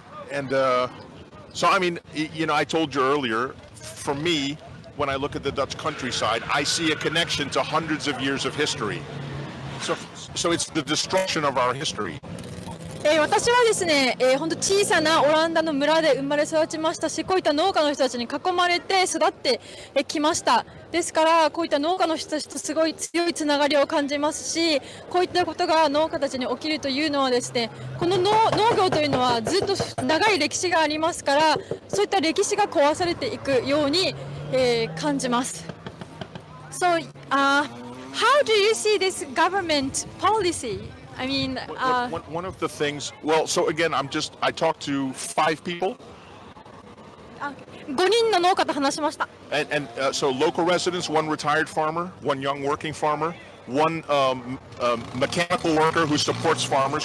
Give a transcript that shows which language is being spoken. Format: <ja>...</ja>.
<en>And so, I mean, you know, I told you earlier, for me, when I look at the Dutch countryside, I see a connection to hundreds of years of history. So it's the destruction of our history.</en> <ja>私はですね、本当小さなオランダの村で生まれ育ちましたし、こういった農家の人たちに囲まれて育ってきました。ですからこういった農家の人たちとすごい強いつながりを感じますし、こういったことが農家たちに起きるというのはですね、この農業というのはずっと長い歴史がありますから、そういった歴史が壊されていくように、感じます。</ja> <en>So, how do you see this government policyI mean, one of the things, well, so again, I talked to five people.</en> <ja>Okay. 5人の農家と話しました。</ja> <en>And so local residents, one retired farmer, one young working farmer, one mechanical worker who supports farmers.</en>